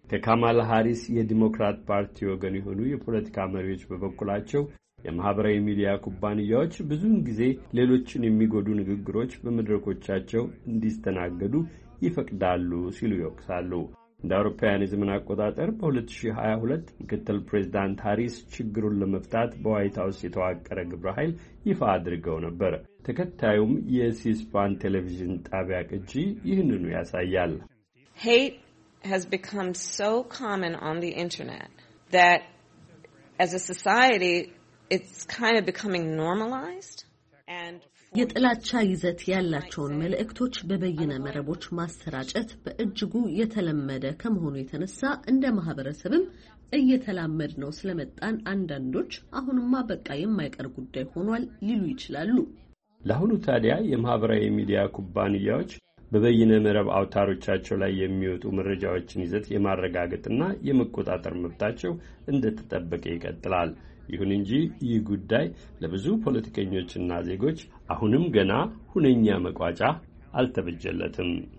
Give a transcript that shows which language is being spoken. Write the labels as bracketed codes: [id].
[am] ከካማላ ሃሪስ የዲሞክራት ፓርቲ ወገን የሆኑ የፖለቲካ መሪዎች በበኩላቸው የማህበራዊ ሚዲያ ኩባንያዎች ብዙውን ጊዜ ሌሎችን የሚጎዱ ንግግሮች በመድረኮቻቸው እንዲስተናገዱ ይፈቅዳሉ ሲሉ ይወቅሳሉ። እንደ አውሮፓውያን የዘመን አቆጣጠር በ2022 ምክትል ፕሬዚዳንት ሃሪስ ችግሩን ለመፍታት በዋይት ሃውስ የተዋቀረ ግብረ ኃይል ይፋ አድርገው ነበር። ተከታዩም የሲስፓን ቴሌቪዥን ጣቢያ ቅጂ ይህንኑ ያሳያል። [en] Hate has become so common on the internet that as a society it's kind of becoming normalized and [am] የጥላቻ ይዘት ያላቸውን መልእክቶች በበይነ መረቦች ማሰራጨት በእጅጉ የተለመደ ከመሆኑ የተነሳ እንደ ማህበረሰብም እየተላመድ ነው ስለመጣን አንዳንዶች አሁንማ በቃ የማይቀር ጉዳይ ሆኗል ሊሉ ይችላሉ። ለሁሉ ታዲያ የማህበራዊ ሚዲያ ኩባንያዎች በበይነ መረብ አውታሮቻቸው ላይ የሚወጡ መረጃዎችን ይዘት የማረጋገጥና የመቆጣጠር መብታቸው እንደተጠበቀ ይቀጥላል። ይሁን እንጂ ይህ ጉዳይ ለብዙ ፖለቲከኞችና ዜጎች አሁንም ገና ሁነኛ መቋጫ አልተበጀለትም።